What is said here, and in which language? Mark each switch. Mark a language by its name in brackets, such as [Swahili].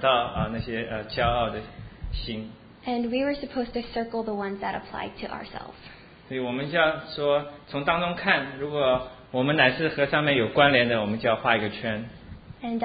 [Chinese] 但是在那本灵修的手册上面，乃是有整整三页来讲到那些骄傲的心。And [English] we were supposed to circle the ones that applied to ourselves. [Chinese] 所以我们就要说，从当中看，如果我们乃是和上面有关联的，我们就要画一个圈。And